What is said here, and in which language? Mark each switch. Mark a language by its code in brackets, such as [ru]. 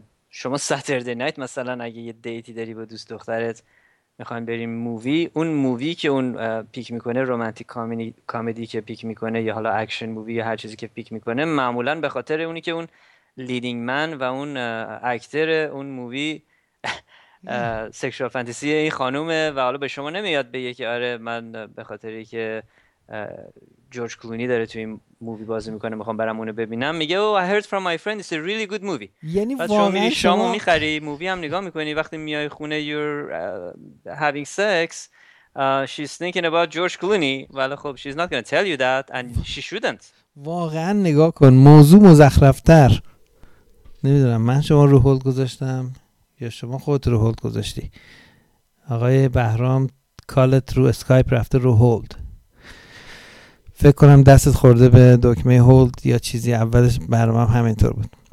[fa] شما ساتردی نایت مثلا اگه یه دیتی داری با دوست دخترت، میخوایم بریم مووی، اون مووی که اون پیک میکنه، رومانتیک کامیدی که پیک میکنه، یا حالا اکشن مووی یا هر چیزی که پیک میکنه، معمولا به خاطر اونی که اون لیدینگ من و اون اکتر اون مووی سکشوال فانتزی این خانومه، و حالا به شما نمیاد بگه که آره من به خاطری که جورج کلونی داره توی این مووی بازی میکنه، میخوام برم اونو ببینم، میگه [en] Oh I heard from my friend it's a really good movie. [fa] یعنی بعد شما میری شامو میخری، مووی هم نگاه میکنی، وقتی میای خونه [en] You're having sex she's thinking about George Clooney. Well, خب she's not going to tell you that and she shouldn't. [fa] واقعا نگاه کن، موضوع مزخرف‌تر. نمیدونم من شما رو هولد گذاشتم یا شما خودت رو هولد گذاشتی. آقای بهرام کالت رو اسکایپ رفته رو هولد. فکر کنم دستت خورده به دکمه هولد یا چیزی، اولش برام هم همینطور بود.